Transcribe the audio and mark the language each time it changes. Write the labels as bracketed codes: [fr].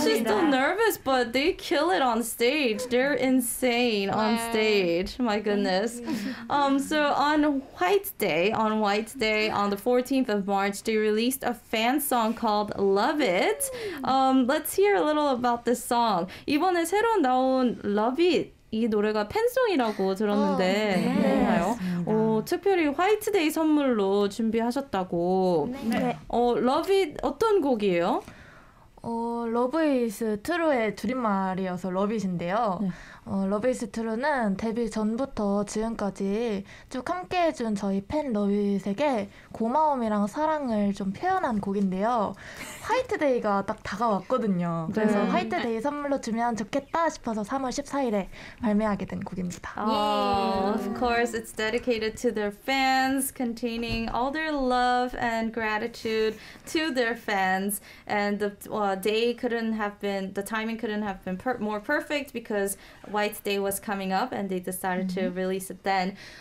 [en] Sister nervous, but they kill it on stage. They're insane on stage. My goodness. So on White Day, on the 14th of March, they released a fan song called Love It. Let's hear a little about this song. [ko] 이번에 새로 나온 [en] Love It. [ko] 이 노래가 팬송이라고 들었는데 맞나요? 오, 특별히 화이트데이 선물로 준비하셨다고. 네. 어, Love It 어떤 곡이에요? 어, Love Is True의 줄임말이어서 Love It인데요. 네. 어, Love Is True는 데뷔 전부터 지금까지 쭉 함께해준 저희 팬 Love It에게 고마움이랑 사랑을 좀 표현한 곡인데요. 화이트데이가 딱 다가왔거든요. 네. 그래서 화이트데이 선물로 주면 좋겠다 싶어서 3월 14일에 발매하게 된 곡입니다. [en] Of course, it's dedicated to their fans, containing all their love and gratitude to their fans. And the day couldn't have been, the timing couldn't have been more perfect because White Day was coming up and they decided to release it then.